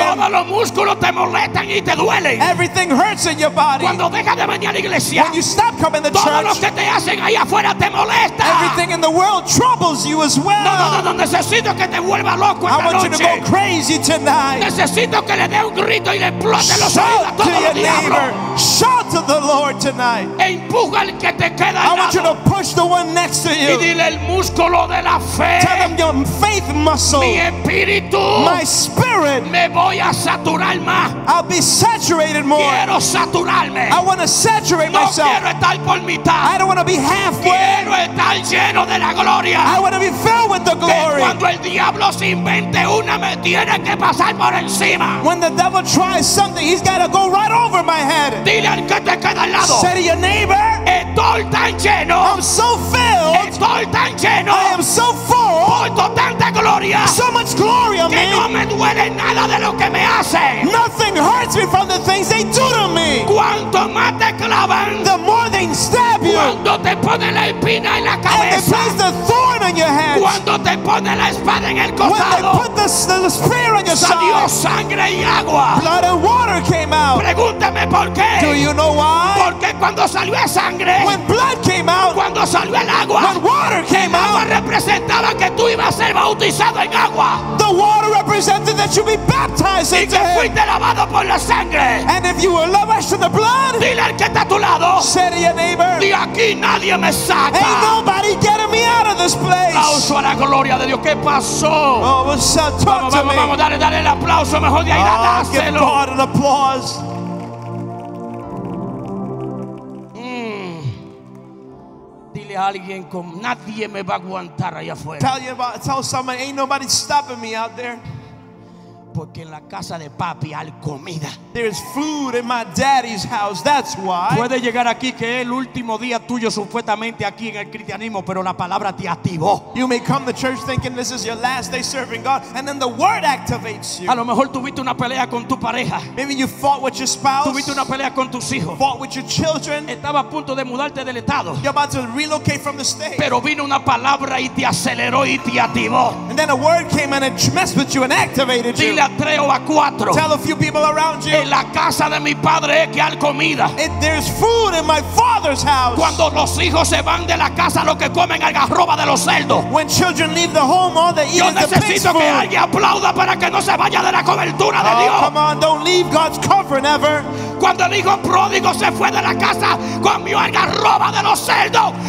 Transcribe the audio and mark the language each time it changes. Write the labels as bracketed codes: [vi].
[es] todos los músculos te molestan y te duelen. [en] Everything hurts in your body. [es] Cuando deja de venir a la iglesia, [en] when you stop coming to church, [es] todos los que te hacen ahí afuera te molestan. [en] Everything in the world troubles you as well. [es] No, necesito que te vuelva loco esta noche. [en] I want you to go crazy tonight. [es] Necesito que le dé un grito y le explote los oídos a todos los diablos. [en] Shout to the Lord tonight. [es] Empuja al que te queda al lado. [en] I want you to push the one next to you. [es] Y dile el músculo de la fe. [en] Tell them your faith muscle. [es] Mi espíritu. [en] My spirit. [es] Me voy a saturar más. [en] I'll be saturated more. [es] Quiero saturarme. [en] I want to saturate myself. [es] No quiero estar por mitad. [en] I don't want to be halfway. [es] Quiero estar lleno de la gloria. [en] I want to be filled with the glory. [es] Cuando el diablo se invente una, me tiene que pasar por encima. [en] When the devil tries something, he's got to go right over my head. [es] Dile al que te queda al lado. [en] Say to your neighbor, [es] estoy tan lleno. [en] I'm so filled. [es] Estoy tan lleno. [en] I am so full. [es] Porto tanta gloria. [en] So much glory on me. [es] Que no me duele nada de lo que me hacen. [en] Nothing hurts me from the things they do to me. [es] Cuanto más te clavan, [en] the more they stab you. [es] Cuando te ponen la espina en la cabeza. [en] And they place the thorn on your head. [es] Cuando te ponen la espada en el costado. [en] When they put the spear on your side. [es] Salió sangre y agua. [en] Blood and water came out. [es] Pregúntame por qué. [en] Do you know why? [es] Porque cuando salió sangre. [en] When blood came out. [es] Cuando salió el agua. [en] When water came out. [es] El agua representaba que tú ibas a ser bautizado en agua. [en] The water represented that you'd be baptized into him. [es] Y que fuiste lavado por la sangre. [en] And if you were lavished in the blood. [es] Dile al que está a tu lado. [en] Say to your neighbor. [es] De aquí nadie me saca. [en] Ain't nobody getting me out of this place. [es] Aplauso a la gloria de Dios. ¿Qué pasó? [en] Oh, what's up? Talk to me. [es] Vamos, dale el aplauso. Mejor de ahí, dáselo. [en] Give God an applause. [es] Alguien con nadie me va a aguantar allá afuera. [en] Tell someone, ain't nobody stopping me out there. [es] Porque en la casa de papi hay comida. [en] There's food in my daddy's house. That's why. [es] Puede llegar aquí que es el último día tuyo supuestamente aquí en el cristianismo, pero la palabra te activó. [en] You may come to church thinking this is your last day serving God, and then the word activates you. [es] A lo mejor tuviste una pelea con tu pareja. [en] Maybe you fought with your spouse. [es] Tuviste una pelea con tus hijos. [en] Fought with your children. [es] Estaba a punto de mudarte del estado. [en] You're about to relocate from the state. [es] Pero vino una palabra y te aceleró y te activó. [en] And then a word came and it messed with you and activated you. [es] A tres o a cuatro. [en] Tell a few people around you. [es] En la casa de mi padre es que hay comida. [en] There's food in my father's house. [es] Cuando los hijos se van de la casa, lo que comen algarroba de los cerdos. [en] When children leave the home, all they eat is the pig's food. [es] Yo necesito que alguien aplauda para que no se vaya de la cobertura de Dios. [en] Oh, come on, don't leave God's covering ever. [es] Cuando el hijo pródigo se fue de la casa, comió algarroba de los cerdos.